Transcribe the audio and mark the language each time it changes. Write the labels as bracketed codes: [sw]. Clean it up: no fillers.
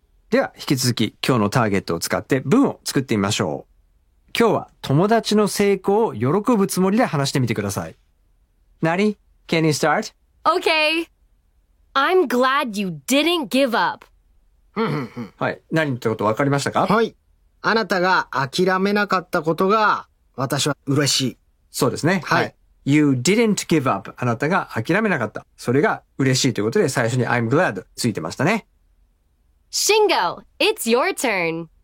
[ja] では引き続き今日のターゲットを使って文を作ってみましょう。今日は友達の成功を喜ぶつもりで話してみてください。 [en] Nari, can you start? Okay. I'm glad you didn't give up. [ja] はい。何ってこと分かりましたか? はい。あなたが諦めなかったことが私は嬉しい。そうですね。はい。はい、 [en] you didn't give up. [ja] あなたが諦めなかった。それが嬉しいということで最初に I'm glad ついてましたね。 [en] Shingo, it's your turn.